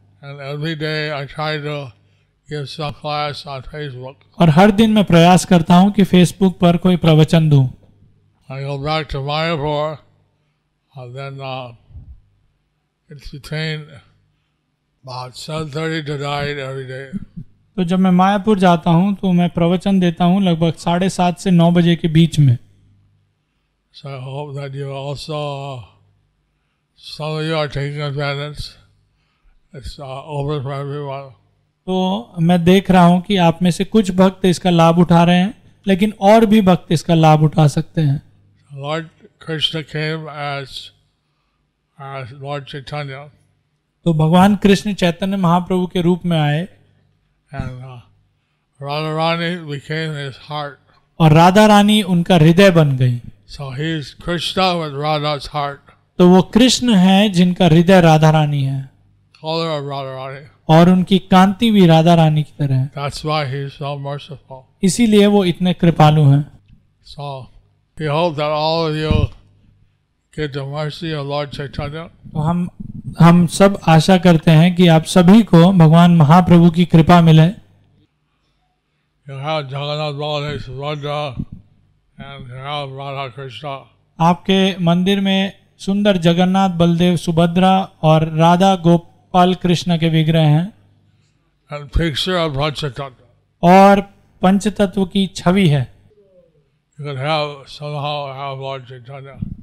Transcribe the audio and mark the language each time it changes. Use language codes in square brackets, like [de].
[en] And every day I try to give some class on Facebook. [hi] और हर दिन मैं प्रयास करता हूँ कि फेसबुक पर कोई प्रवचन दूँ. [en] I go back to Mayapur, and then it's between about 7:30 to 9 every day. [hi] तो जब मैं मायापुर जाता हूँ तो मैं प्रवचन देता हूँ लगभग 7:30 to 9 बजे के बीच में. [en] So I hope that you also some of you are taking attendance. It's open for everyone. [hi] तो मैं देख रहा हूँ कि आप में से कुछ भक्त इसका लाभ उठा रहे हैं लेकिन और भी भक्त इसका लाभ उठा सकते हैं. [en] Lord Krishna came as Lord Chaitanya. [hi] तो भगवान कृष्ण चैतन्य महाप्रभु के रूप में आए. [en] And Radharani became his heart. [hi] और राधा रानी उनका हृदय बन गई. [en] So he is Krishna with Radha's heart. [hi] तो वो कृष्ण है जिनका हृदय राधा रानी है. [en] Color of Radharani. [hi] और उनकी कांति भी राधा रानी की तरह है. [en] That's why he is so merciful. [hi] इसीलिए वो इतने कृपालु हैं. [en] So we hope that all of you get the mercy of Lord Chaitanya. [hi] हम सब आशा करते हैं कि आप सभी को भगवान महाप्रभु की कृपा मिले. [en] You have Jagannath Balaramadesh Subhadra and you have Radha Krishna. [hi] आपके मंदिर में सुंदर जगन्नाथ बलदेव सुभद्रा और राधा गोपाल कृष्ण के विग्रह हैं. [en] And picture of Lord Chaitanya. [hi] और पंचतत्व की छवि है. [en] You can somehow have Lord Chaitanya.